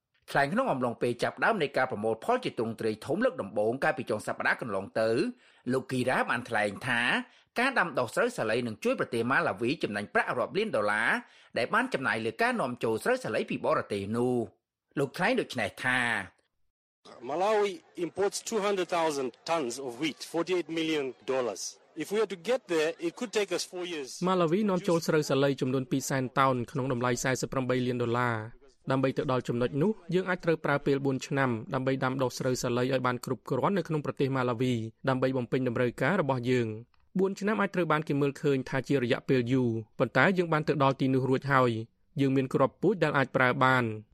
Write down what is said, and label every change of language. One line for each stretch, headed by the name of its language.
Khmer: ថ្លែងក្នុងអំឡុងពេលចាប់ដើមនៃការប្រមូលផលជាទ្រង់ទ្រាយធំលើកដំបូងកាលពីចុងសប្តាហ៍កន្លងទៅលោកគីរ៉ាបានថ្លែងថាការដាំដុះស្រូវសាលីនឹងជួយប្រទេសម៉ាឡាវីចំណេញប្រាក់រាប់លានដុល្លារដែលបានចំណាយលើការនាំចូលស្រូវសាលីពីបរទេសនោះលោកថ្លែងដូចនេះថា
English: Malawi imports 200,000 tons of wheat, $48 million. If we were to get there, it could take us 4 years.
Khmer: Malawi នាំចូលស្រូវសាលីចំនួន 200,000 tons ក្នុងតម្លៃ
English: $48 million.
Khmer: ដើម្បីទៅដល់ចំណុចនោះយើងអាចត្រូវប្រើពេល4ឆ្នាំដើម្បីដាំដុះស្រូវសាលីឲ្យបានគ្រប់គ្រាន់នៅក្នុងប្រទេស Malawi ដើម្បីបំពេញតម្រូវការរបស់យើង4ឆ្នាំអាចត្រូវបានគេមើលឃើញថាជារយៈពេលយូរប៉ុន្តែយើងបានទៅដល់ទីនោះរួចហើយយើងមានគ្រាប់ពូជដែលអាចប្រើបាន